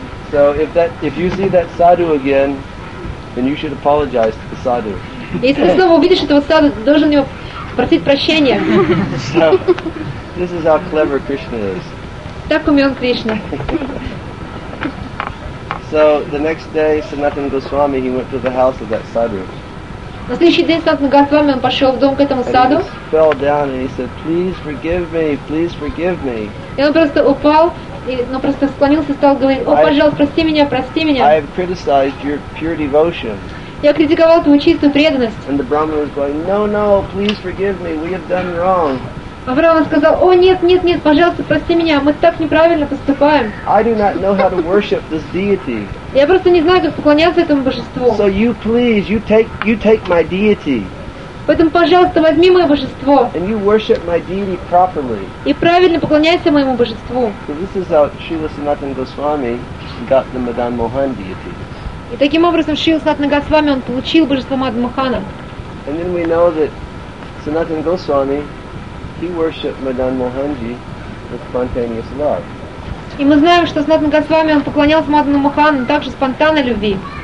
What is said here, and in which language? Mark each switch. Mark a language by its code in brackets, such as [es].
[en] So if you see that sadhu again, then you should apologize to the sadhu. [ru] Если ты снова увидишь этого сада, ты должен его просить прощения. [en] So, this is how clever Krishna is. [ru] Так умён Кришна. [en] So the next day, Sanatana Goswami, he went to the house of that sadhu. [ru] На следующий день Санатана Госвами он пошел в дом к этому саду. [en] He fell down and he said, "Please forgive me, please forgive me." [ru] И он просто упал, но просто склонился и стал говорить: "О, пожалуйста, прости меня, прости меня." [en] I have criticized your pure devotion. [ru] Я критиковал твою чистую преданность. [en] And the Brahmin was going, "No, no, please forgive me. We have done wrong." [ru] А Брахман сказал: "О, нет, нет, нет, пожалуйста, прости меня. Мы так неправильно поступаем." [en] I do not know how to worship this deity. [ru] Я просто не знаю, как поклоняться этому божеству. [en] So you please, you take my deity. [ru] Поэтому, пожалуйста, возьми мое божество. [en] And you worship my deity properly. [ru] И правильно поклоняйся моему божеству. [en] So this is how Srila Sanatana Goswami got the Madan Mohan deity. [ru] И таким образом Шрила Санатана Госвами он получил божество Мадан Мохана. [en] And then we know that Sanatana Goswami, he worshipped Madan Mohanji with spontaneous love. [ru] И мы знаем, что Санатана Госвами он поклонялся Мадану Мохану также спонтанной любви.